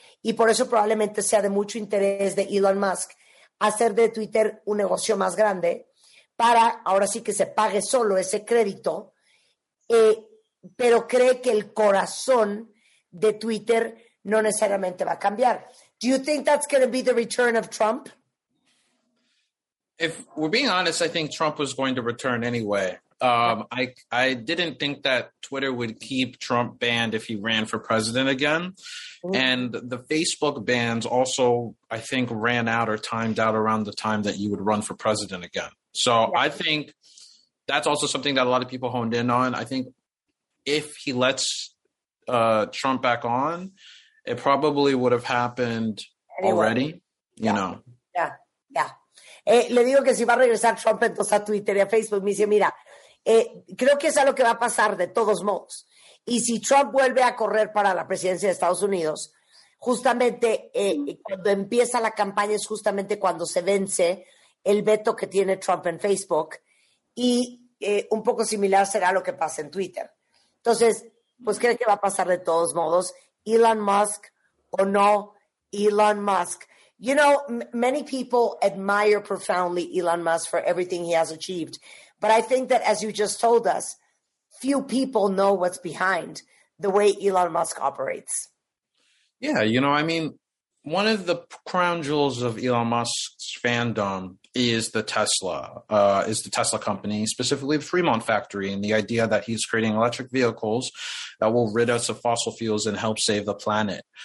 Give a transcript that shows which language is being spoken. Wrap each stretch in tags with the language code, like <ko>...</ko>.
<es>Y por eso probablemente sea de mucho interés de Elon Musk hacer de Twitter un negocio más grande para ahora sí que se pague solo ese crédito, pero cree que el corazón de Twitter no necesariamente va a cambiar.</es> <en>Do you think that's going to be the return of Trump? If we're being honest, I think Trump was going to return anyway. I didn't think that Twitter would keep Trump banned if he ran for president again. Mm-hmm. And the Facebook bans also, I think, ran out or timed out around the time that you would run for president again. So yeah. I think that's also something that a lot of people honed in on. I think if he lets Trump back on, it probably would have happened already, you know. Yeah.</en> <es>Le digo que si va a regresar Trump entonces a Twitter y a Facebook, me dice, mira, creo que es algo que va a pasar de todos modos. Y si Trump vuelve a correr para la presidencia de Estados Unidos, justamente cuando empieza la campaña es justamente cuando se vence el veto que tiene Trump en Facebook. Y un poco similar será lo que pasa en Twitter. Entonces, pues creo que va a pasar de todos modos. Elon Musk o no Elon Musk.</es> <en>You know, many people admire profoundly Elon Musk for everything he has achieved. But I think that, as you just told us, few people know what's behind the way Elon Musk operates. Yeah, you know, I mean, one of the crown jewels of Elon Musk's fandom is the Tesla company, specifically the Fremont factory, and the idea that he's creating electric vehicles that will rid us of fossil fuels and help save the planet.</en>